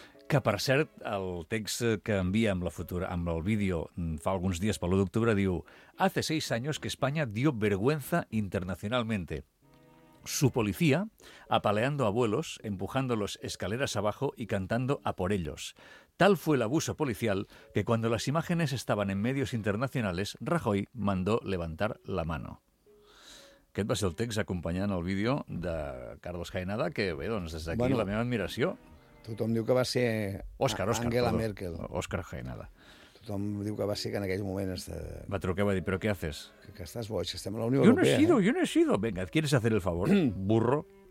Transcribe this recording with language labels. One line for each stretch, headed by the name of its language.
Catalan: Que, per cert, el text que envia amb el vídeo fa alguns dies per l'1 d'octubre diu
Spanish: «Hace 6 años que España dio vergüenza internacionalmente. Su policía apaleando abuelos, empujándolos escaleras abajo y cantando a por ellos. Tal fue el abuso policial que cuando las imágenes estaban en medios internacionales, Rajoy mandó levantar la mano».
Catalan: Aquest va ser el text acompanyant el vídeo de Carlos Jaenada, que bé, doncs des d'aquí, bueno, la meva admiració. Tothom diu que va ser Oscar, Angela Merkel. Oscar Jaenada. Tothom diu que va ser que en aquells moments... Va trucar i va dir, però què haces? Que estàs boig, que estem a la Unió Europea.
Spanish: Jo no he sido. Venga, ¿quieres hacer el favor, burro?